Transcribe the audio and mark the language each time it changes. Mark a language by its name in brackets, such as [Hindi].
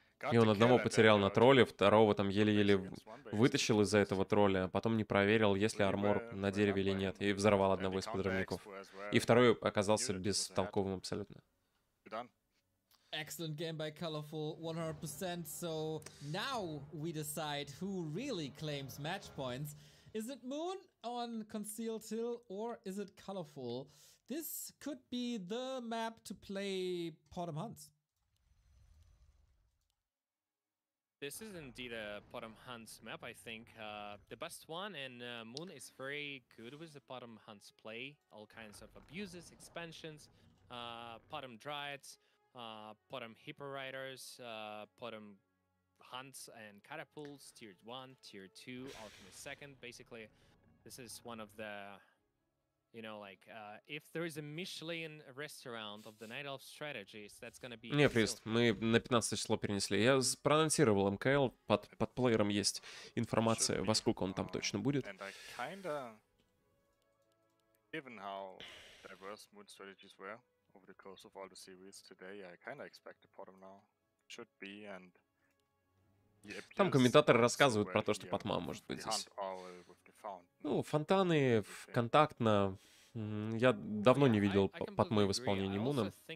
[Russian] И он одного потерял на тролле, второго там еле-еле вытащил из-за этого тролля, а потом не проверил, есть ли армор на дереве или нет, и взорвал одного из подрывников. И второй оказался бестолковым абсолютно. [English] Excellent game by Colorful, 100%. So now we decide who really claims match points. Is it Moon on Concealed Hill or is it Colorful? This could be the map to play Potom Hunts. This is indeed a Potom Hunts map, I think. The best one, and Moon is very good with the Potom Hunts play. All kinds of abuses, expansions, Potom Dryads. Potom Hippo Riders, Potom Hunts and Catapults, Tier 1, Tier 2, Alchemist 2nd. Basically, this is one of the, you know, like, if there is a Michelin restaurant of the Night Elf strategies, that's gonna be... [Russian] Не, Фрист, мы на 15 число перенесли. Я проанонсировал МКЛ, под плеером есть информация, во сколько он там точно будет. [English] And I kinda... Given how diverse mood strategies were... Over the course of all the series today, I kind of expect a Potom now. Should be, and... [Russian] Там комментаторы рассказывают про то, что Потма может быть здесь. Ну, фонтаны, контактно. Я давно не видел Потмы в исполнении Муна.